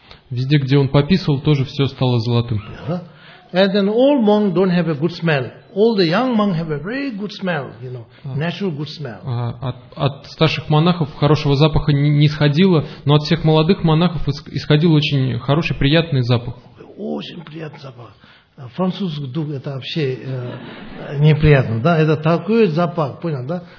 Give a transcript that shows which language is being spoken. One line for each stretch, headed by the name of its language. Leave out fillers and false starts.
Russian: Везде, где он пописывал, тоже все стало золотым.
English: And then all monks don't have a good smell. All the young monks have a very good smell, you know, natural good smell.
Russian: От старших монахов хорошего запаха не исходило, но от всех молодых монахов исходил очень хороший, приятный запах. Очень приятный запах. Французский дух – это вообще неприятно, да? Это такой запах, понял, да?